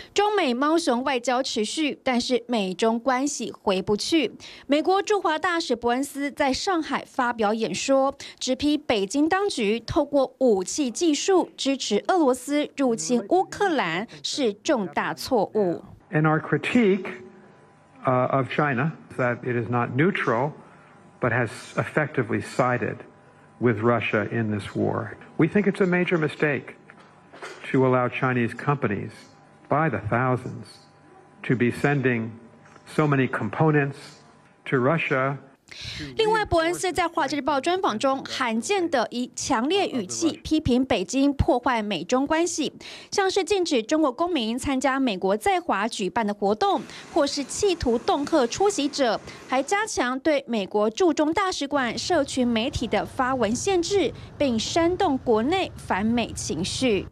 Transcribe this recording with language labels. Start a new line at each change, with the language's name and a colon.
Chinese: 中美猫熊外交持续，但是美中关系回不去。美国驻华大使伯恩斯在上海发表演说，直批北京当局透过武器技术支持俄罗斯入侵乌克兰是重大错误。
English: And our critique of China, that it is not neutral, but has effectively sided with Russia in this war. We think it's a major mistake to allow Chinese companies by the thousands to be sending so many components to Russia.
Chinese: 另外，伯恩斯在《华尔街日报》专访中罕见的以强烈语气批评北京破坏美中关系，像是禁止中国公民参加美国在华举办的活动，或是企图恫吓出席者，还加强对美国驻中大使馆社群媒体的发文限制，并煽动国内反美情绪。